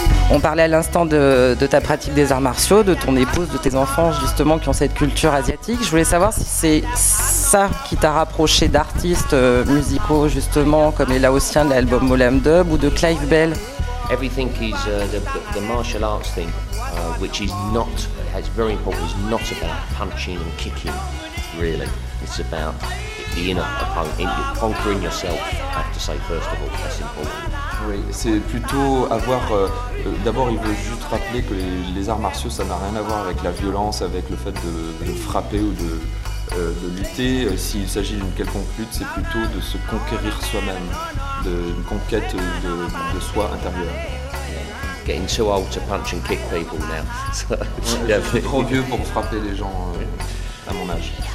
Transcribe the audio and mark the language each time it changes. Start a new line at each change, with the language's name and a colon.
French: On parlait à l'instant de ta pratique des arts martiaux, de ton épouse, de tes enfants justement qui ont cette culture asiatique. Je voulais savoir si c'est ça qui t'a rapproché d'artistes musicaux justement comme les Laotiens de l'album Molam Dub ou de Clive Bell.
English: Everything is the martial arts thing, which is not, it's very important, is not about punching and kicking, really. It's about the inner opponent, conquering yourself, I have to say, first of all, that's important.
French: Oui, c'est plutôt avoir... d'abord, il veut juste rappeler que les arts martiaux, ça n'a rien à voir avec la violence, avec le fait de frapper ou de lutter. S'il s'agit d'une quelconque lutte, c'est plutôt de se conquérir soi-même, d'une conquête de soi intérieur.
English: Yeah. Getting too old to punch and kick people now.
French: Ouais, je suis trop vieux pour frapper les gens à mon âge.